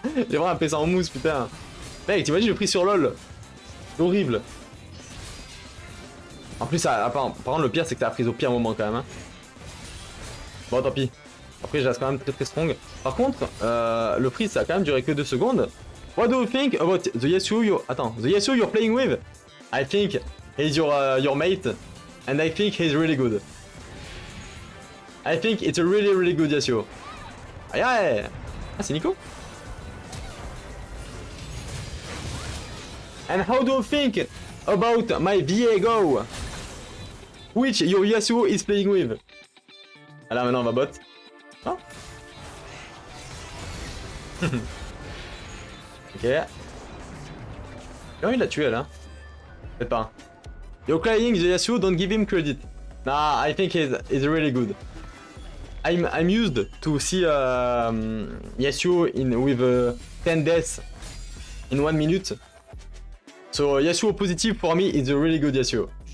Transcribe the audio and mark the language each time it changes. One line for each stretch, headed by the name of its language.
French: J'ai vraiment un PC en mousse, putain. Mec, t'imagines le prix sur LOL. C'est horrible. En plus, par contre, le pire, c'est que t'as pris au pire moment quand même. Hein. Bon, tant pis. Après, je reste quand même très très strong. Par contre, le prix, ça a quand même duré que 2 secondes.
English: What do you think about the Yasuo you...
French: Attends,
English: the Yasuo you're playing with? I think he's your mate. And I think he's really good. I think it's a really really good Yasuo.
French: Aïe aïe. Ah, c'est Nico.
English: And how do you think about my Viego? Which your Yasuo is playing with?
French: Alors maintenant on va bot. Non. Ok. J'ai envie de la tuer, elle, hein. Peut-être pas.
English: You're crying the Yasuo, don't give him credit. Nah, I think he's really good. I'm used to see Yasuo in with 10 deaths in 1 minute. So Yasuo positive for me is a really good Yasuo.